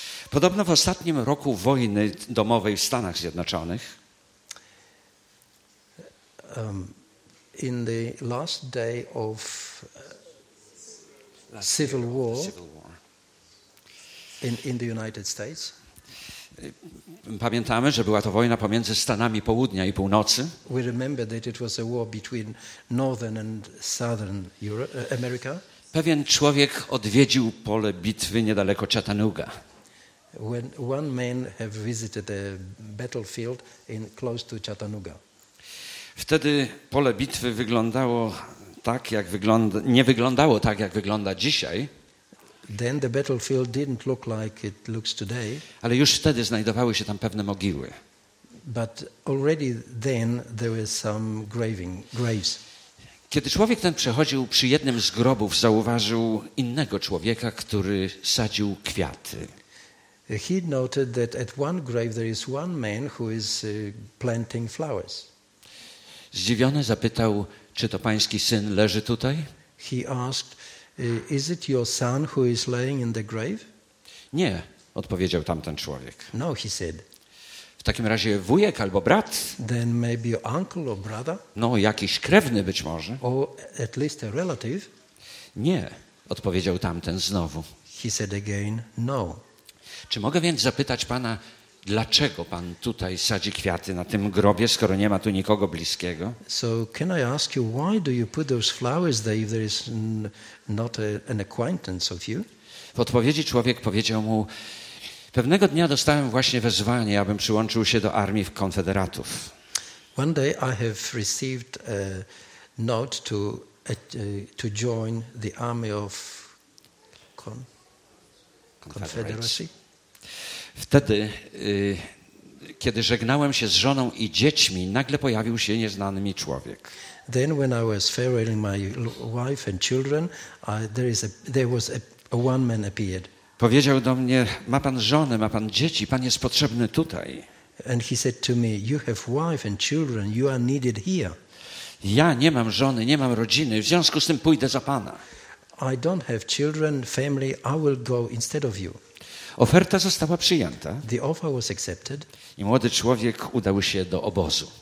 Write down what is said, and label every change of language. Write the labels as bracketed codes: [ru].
[pl] Podobno w ostatnim roku wojny domowej w Stanach Zjednoczonych. [en] In the last day of civil war, in the United States. [pl] Pamiętamy, że była to wojna pomiędzy Stanami Południa i Północy. [en] We remember that it was a war between Northern and Southern America. [pl] Pewien człowiek odwiedził pole bitwy niedaleko Chattanooga. [en] When one man have visited a battlefield in close to Chattanooga. [pl] Wtedy pole bitwy wyglądało tak, jak wygląda, nie wyglądało tak, jak wygląda dzisiaj. [en] Then the battlefield didn't look like it looks today. [pl] Ale już wtedy znajdowały się tam pewne mogiły. [en] But already then there were some graves. [pl] Kiedy człowiek ten przechodził przy jednym z grobów, zauważył innego człowieka, który sadził kwiaty. [en] He noted that at one grave there is one man who is planting flowers. [pl] Zdziwiony zapytał, czy to pański syn leży tutaj? [en] He asked, is it your son who is laying in the grave? [pl] Nie, odpowiedział tamten człowiek. [en] No, he said. [pl] W takim razie wujek albo brat? [en] Then maybe your uncle or brother? [pl] No, jakiś krewny być może. [en] Or at least a relative? [pl] Nie, odpowiedział tamten znowu. [en] He said again, no. [pl] Czy mogę więc zapytać pana, dlaczego pan tutaj sadzi kwiaty na tym grobie, skoro nie ma tu nikogo bliskiego? [en] So can I ask you why do you put those flowers there if there is not an acquaintance of you? [pl] W odpowiedzi człowiek powiedział mu: pewnego dnia dostałem właśnie wezwanie, abym przyłączył się do armii Konfederatów. [en] One day I have received a note to join the army of Confederacy. [pl] Wtedy, kiedy żegnałem się z żoną i dziećmi, nagle pojawił się nieznany mi człowiek. [en] Then when I was farewelling my wife and children, there was a one man appeared. [pl] Powiedział do mnie: ma pan żonę, ma pan dzieci, pan jest potrzebny tutaj. [en] And he said to me, you have wife and children, you are needed here. [pl] Ja nie mam żony, nie mam rodziny, w związku z tym pójdę za pana. [en] I don't have children, family, I will go instead of you. [pl] Oferta została przyjęta. [en] The offer was accepted. [pl] I młody człowiek udał się do obozu.